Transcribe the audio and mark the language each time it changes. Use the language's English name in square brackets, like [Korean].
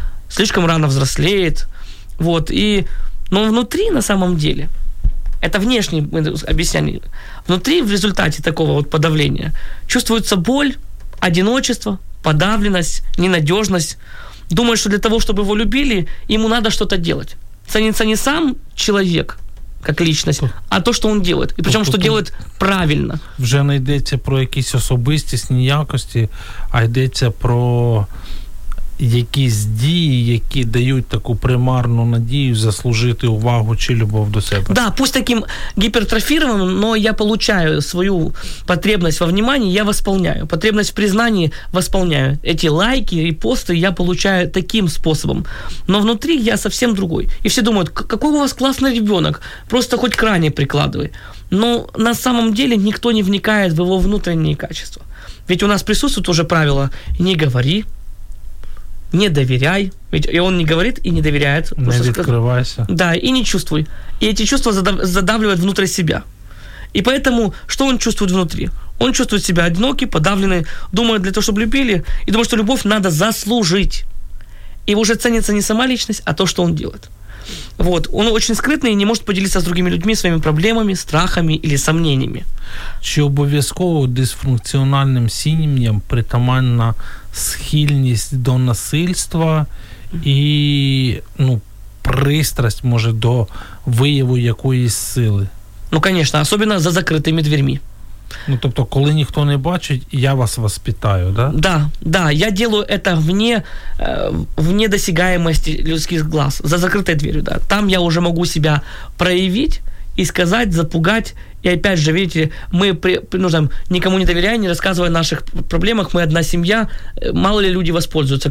[Russian] слишком рано взрослеет. Вот, и, но внутри, на самом деле, это внешнее объяснение, внутри в результате такого вот подавления чувствуется боль, одиночество, подавленность, ненадежность. Думаешь, что для того, чтобы его любили, ему надо что-то делать. Ценится не сам человек, как личность, а то, [Ukrainian] що він робить. І причому, що робить правильно. Вже не йдеться про якісь особистісні якості, а йдеться про якісь дії, які дають таку примарну надію заслужити увагу чи любов до себе. [Russian] Да, пусть таким гіпертрофірованим, но я получаю свою потребность во внимании, я восполняю. Потребность в признании восполняю. Эти лайки, репости я получаю таким способом. Но внутри я совсем другой. И все думают, какой у вас классный ребенок, просто хоть крайне прикладывай. Но на самом деле никто не вникает в его внутренние качества. Ведь у нас присутствует уже правило «не говори», не доверяй, ведь и он не говорит и не доверяет. Не открывайся. Да, и не чувствуй. И эти чувства задавливают внутрь себя. И поэтому, что он чувствует внутри? Он чувствует себя одинокий, подавленный, думает для того, чтобы любили, и думает, что любовь надо заслужить. И уже ценится не сама личность, а то, что он делает. Вот. Он очень скрытный и не может поделиться с другими людьми своими проблемами, страхами или сомнениями. [Ukrainian] Чи обов'язково дисфункціональним сім'ям притаманна схильність до насильства і, ну, пристрасть, може, до вияву якоїсь сили? Ну, звісно, особливо за закритими дверьми. Ну, тобто, коли ніхто не бачить, [Russian] я вас воспитаю, да? Да, да, я делаю это вне досягаемости людських глаз, за закритою дверью, да. Там я уже могу себя проявить и сказать, запугать. И опять же, видите, мы принуждаем, никому не доверяя, не рассказывая о наших проблемах, мы одна семья, мало ли люди воспользуются.